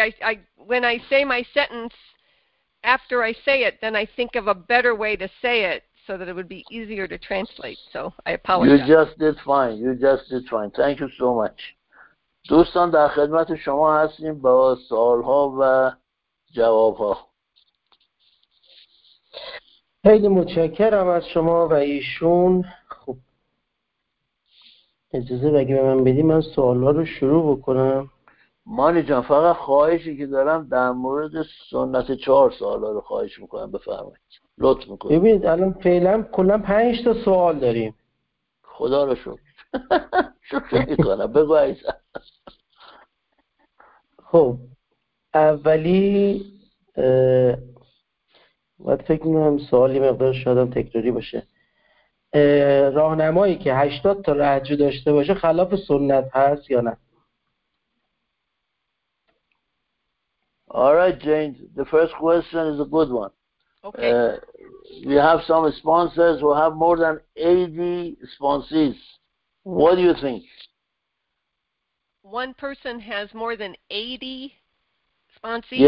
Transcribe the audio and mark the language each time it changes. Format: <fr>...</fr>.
<en>I when I say my sentence, after I say it, then I think of a better way to say it so that it would be easier to translate. So I apologize. You just did fine. Thank you so much.</en> <fa>دوستان در خدمت شما هستیم با سوالها و جوابها. خیلی متشکرم از شما و ایشون. خب اجازه بگی به من بدیم من سوالها رو شروع بکنم. مانی جان فقط خواهشی که دارم در مورد سنت چهار سوالها رو خواهش میکنم، بفرمایید، لطف میکنم. ببینید الان فعلا کلا 5 تا سوال داریم. خدا رو شکر. شکر میکنم. بگو عزیزم. خب اولی باید فکر میکنم سوالی مقدار شادم تکراری باشه. راهنمایی که 80 تا رجو داشته باشه خلاف سنت هست یا نه؟</fa> <en>All right, Jane, the first question is a good one. Okay. We have some sponsors who have more than 80 sponsees. What do you think? One person has more than 80 sponsees?</en>